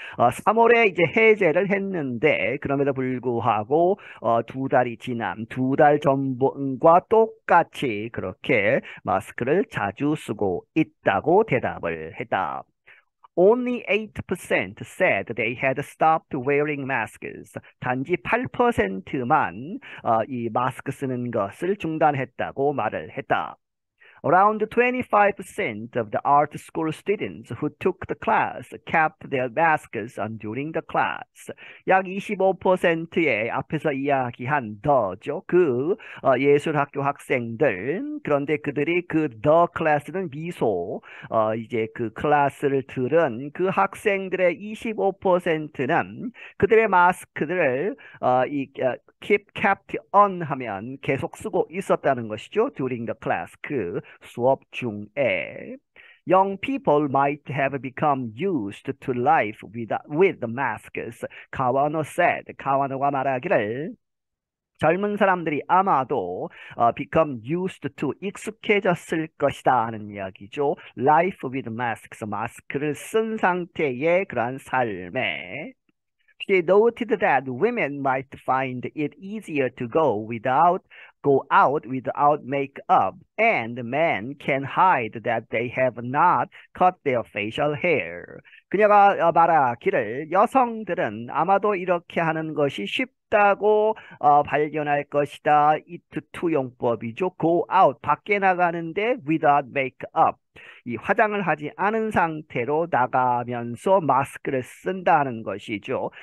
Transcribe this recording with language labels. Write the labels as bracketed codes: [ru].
[ko] 3월에 이제 해제를 했는데 그럼에도 불구하고 두 달이 지난 두 달 전과 똑같이 그렇게 마스크를 자주 쓰고 있다고 대답을 했다. [en] Only 8% said they had stopped wearing masks. [ko] 단지 8%만 이 마스크 쓰는 것을 중단했다고 말을 했다. [en] Around 25% of the art school students who took the class kept their masks on during the class. [ko] 약 25%의 앞에서 이야기한 더죠. 그 예술학교 학생들, 그런데 그들이 그 [en] the class [ko] 는 미소, 이제 그 클래스를 들은 그 학생들의 25%는 그들의 마스크들을 [en] kept on [ko] 하면 계속 쓰고 있었다는 것이죠. [en] During the class, [ko] 그 수업 중에 [en] young people might have become used to life with the masks. Kawano said. [ko] Kawano가 말하기를 젊은 사람들이 아마도 [en] become used to [ko] 익숙해졌을 것이다 하는 이야기죠. [en] Life with masks, [ko] 마스크를 쓴 상태의 그러한 삶에. [en] She noted that women might find it easier to go out without makeup, and men can hide that they have not cut their facial hair. [ko] 그녀가 말하기를 여성들은 아마도 이렇게 하는 것이 쉽다고 발견할 것이다. [en] It to [ko] 용법이죠. [en] Go out, [ko] 밖에 나가는데 [en] without makeup. [ko] 이 화장을 하지 않은 상태로 나가면서 마스크를 쓴다는 것이죠.